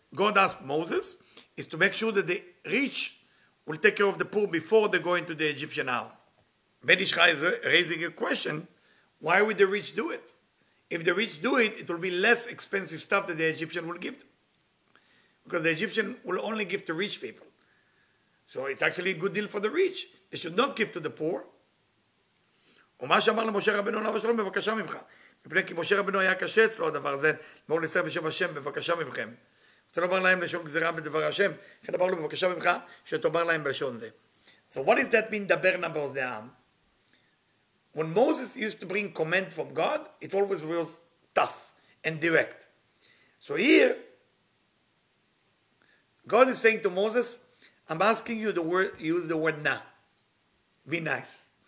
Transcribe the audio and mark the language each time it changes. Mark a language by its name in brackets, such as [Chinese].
[English] God asked Moses is to make sure that the rich will take care of the poor before they go into the Egyptian house. Ben Ishchai is raising a question, why would the rich do it? If the rich do it, it will be less expensive stuff that the Egyptian will give them. Because the Egyptian will only give to rich people. So it's actually a good deal for the rich. They should not give to the poor. [Hebrew] ומה שאמר למשה רבנו עליו השלום, בבקשה ממך. מפני כי משה רבנו היה קשה אצלו הדבר הזה, אמרו לסר בשם השם, בבקשה ממכם. רוצה לומר להם לשון גזירה בדבר השם, כן אמר לו בבקשה ממך, שתאמר להם בלשון זה. [English] So what does that mean, [Hebrew] דבר נבר זה העם? [English] When Moses used to bring command from God, it always was tough and direct. So here, God is saying to Moses, I'm asking you to use the word na. Be nice.